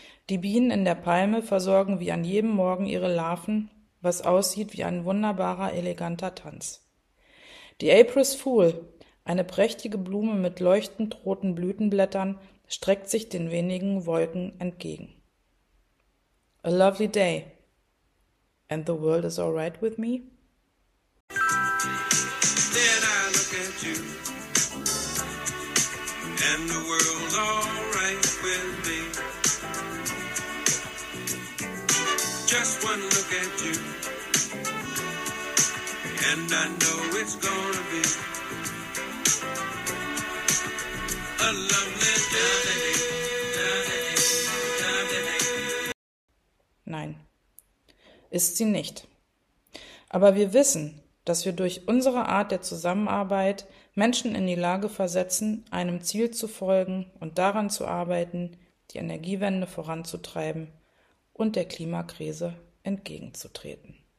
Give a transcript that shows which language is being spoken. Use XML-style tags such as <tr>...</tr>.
<de>Die Bienen in der Palme versorgen wie an jedem Morgen ihre Larven, was aussieht wie ein wunderbarer, eleganter Tanz. Die April's Fool, eine prächtige Blume mit leuchtend roten Blütenblättern, streckt sich den wenigen Wolken entgegen.</de> <en>A lovely day. And the world is all right with me? Then I look at you. And the world's all right with me. Just one look at you. And I know it's gonna be a lovely day.</en> <de>Nein, ist sie nicht. Aber wir wissen, dass wir durch unsere Art der Zusammenarbeit Menschen in die Lage versetzen, einem Ziel zu folgen und daran zu arbeiten, die Energiewende voranzutreiben und der Klimakrise entgegenzutreten.</de>